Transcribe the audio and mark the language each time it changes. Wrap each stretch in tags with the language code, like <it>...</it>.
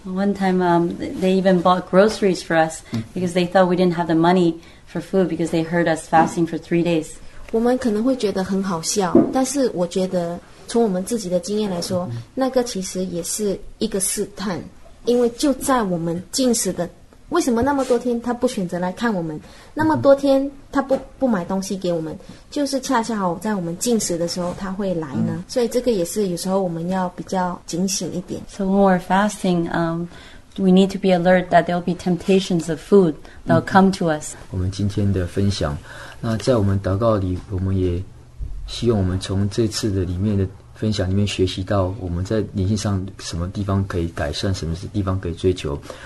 <en>One time they even bought groceries for us because they thought we didn't have the money for food because they heard us fasting for 3 days.</en> <zh>我们可能会觉得很好笑，但是我觉得从我们自己的经验来说，那个其实也是一个试探，因为就在我们进食的为什么那么多天他不选择来看我们，那么多天他不买东西给我们，就是恰恰好在我们进食的时候他会来呢。所以这个也是有时候我们要比较警醒一点。</zh> <en>So when we're fasting, we need to be alert that there'll be temptations of food that'll come to us.</en> <zh>我们今天的分享，那在我们祷告里，我们也希望我们从这次的里面的分享里面学习到我们在灵性上什么地方可以改善，什么地方可以追求。</zh>